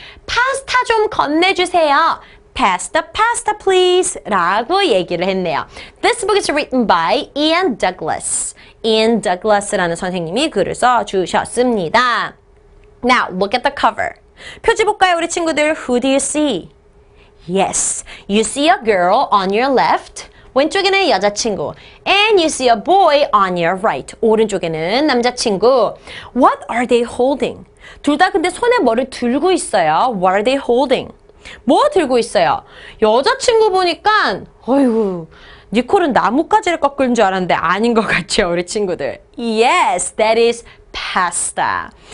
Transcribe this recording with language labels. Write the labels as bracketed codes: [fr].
[ko] 파스타 좀 건네주세요. [en] Pass the pasta, please. [ko] 라고 얘기를 했네요. [en] This book is written by Ian Douglas. [ko] Ian Douglas라는 선생님이 글을 써주셨습니다. [en] Now, look at the cover. [ko] 표지 볼까요, 우리 친구들? [en] Who do you see? Yes, you see a girl on your left. [ko] 왼쪽에는 여자친구. [en] And you see a boy on your right. [ko] 오른쪽에는 남자친구. [en] What are they holding? [ko] 둘 다 근데 손에 뭐를 들고 있어요. [en] What are they holding? [ko] 뭐 들고 있어요? 여자친구 보니까 어휴, 니콜은 나뭇가지를 꺾은 줄 알았는데 아닌 것 같죠, 우리 친구들. [en] Yes, that is pasta.